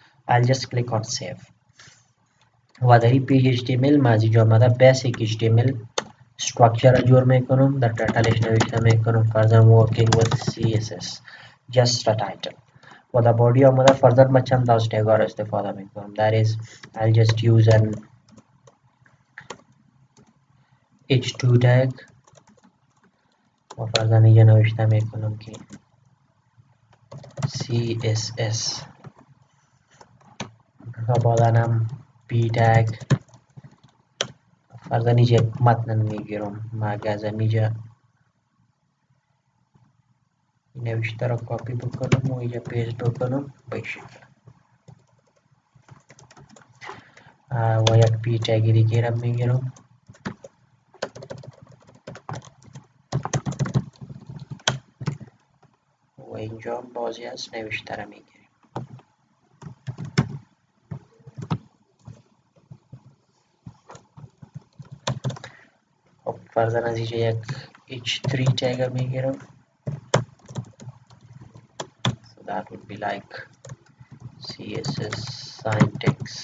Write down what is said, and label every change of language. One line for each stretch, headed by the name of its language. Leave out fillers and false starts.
English: I'll just click on save
Persian: و در این پیج HTML ما از اینجا آمده بیسیک HTML structure را جور می کنم، در تایتلش نوشته می کنم فرزن
English: working with CSS just a title
Persian: و در باڈی آمده فرزن ما چند داز تگا را استفاده می کنم.
English: That is I'll just use an H2 tag
Persian: و فرزن اینجا نوشته می کنم که CSS و بالا نام B tag فرضاً اینجا متن میگیرم، مغازه اینجا نوشته را کپی بکنم و اینجا پیست بکنم به این شکل و یک پی تگی دیگه را میگیرم و اینجا بازی از نوشته را میگیرم. فرضاً از اینجا یک H3 تگ می گیرم.
English: So that would be like CSS syntax.